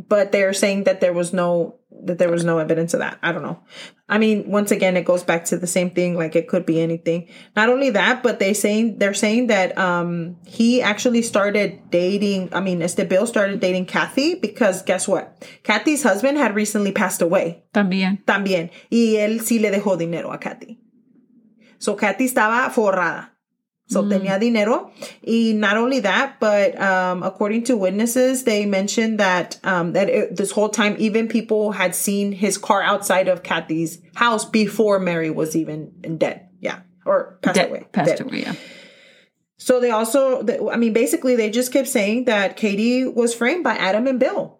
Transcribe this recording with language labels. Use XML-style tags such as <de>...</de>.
<en>But they're saying that there was no evidence of that. I don't know. I mean, once again, it goes back to the same thing. Like, it could be anything. Not only that, but they're saying that he actually started dating. I mean, Bill started dating Kathy because guess what? Kathy's husband had recently passed away.</en> <es>También. Y él sí le dejó dinero a Kathy. So Kathy estaba forrada. So tenía dinero.</es> <en>Y not only that, but according to witnesses, they mentioned that this whole time, even people had seen his car outside of Kathy's house before Mary was even dead. Yeah. Or passed away. So they also, basically, they just kept saying that Katie was framed by Adam and Bill.</en>